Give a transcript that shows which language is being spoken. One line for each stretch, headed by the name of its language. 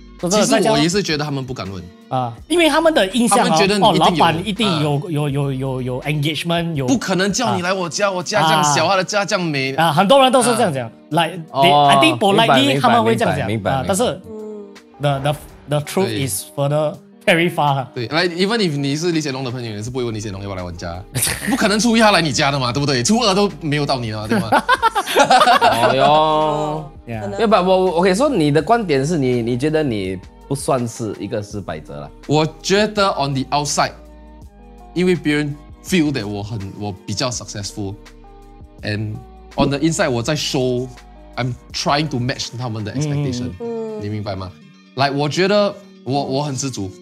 Chinese: 其实我也是觉得他们不敢问啊，因为他们的印象，他们觉得你一定有，老板一定有 engagement， 有不可能叫你来我家，我家这样小，他的家这样美啊，很多人都是这样讲。
English: Like, I think politely
Chinese: 他们会这样讲，但是
English: the truth is further very far。
Chinese: 对 ，
English: like even if
Chinese: 你是李显龙的朋友，也是不会问李显龙要不要来我家。不可能初一他来你家的嘛，对不对？初二都没有到你了，对吗？哦哟，要不我 OK， 说、so、你的观点是你觉得你不算是一个失败者了。我觉得
English: on the outside，
Chinese: 因为别人
English: feel that
Chinese: 我比较 successful，
English: and on the inside
Chinese: 我在
English: show I'm trying to match
Chinese: 他们的 expectation，、嗯、你明白吗 ？Like 我觉得我很知足。